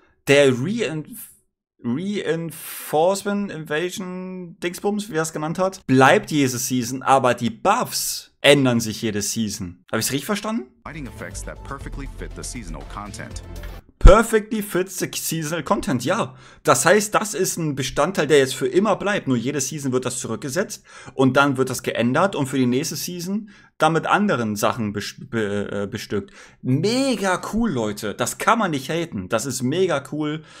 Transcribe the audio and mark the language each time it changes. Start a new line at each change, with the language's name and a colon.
German: Der Reinforcement Invasion Dingsbums, wie er es genannt hat, bleibt jede Season, aber die Buffs ändern sich jede Season. Habe ich es richtig verstanden?
English: Fighting effects that perfectly fit the seasonal content. Perfectly fits the seasonal content, ja.
German: Das heißt, das ist ein Bestandteil, der jetzt für immer bleibt. Nur jede Season wird das zurückgesetzt und dann wird das geändert und für die nächste Season, damit anderen Sachen bestückt. Mega cool, Leute. Das kann man nicht haten. Das ist mega cool.